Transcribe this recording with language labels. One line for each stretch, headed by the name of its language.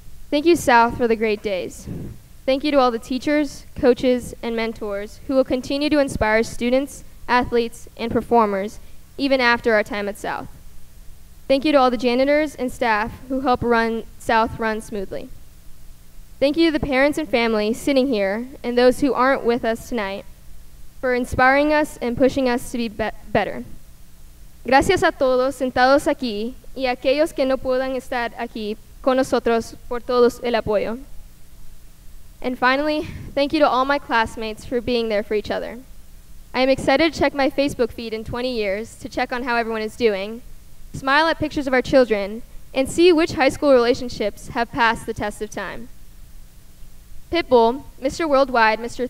English: Thank you, South, for the great days. Thank you to all the teachers, coaches, and mentors who will continue to inspire students, athletes, and performers even after our time at South. Thank you to all the janitors and staff who help South run smoothly. Thank you to the parents and family sitting here and those who aren't with us tonight for inspiring us and pushing us to be better.
Spanish: Gracias a todos sentados aquí y a aquellos que no puedan estar aquí con nosotros por todo el apoyo.
English: And finally, thank you to all my classmates for being there for each other. I am excited to check my Facebook feed in 20 years to check on how everyone is doing, smile at pictures of our children, and see which high school relationships have passed the test of time. Pitbull, Mr. Worldwide, Mr.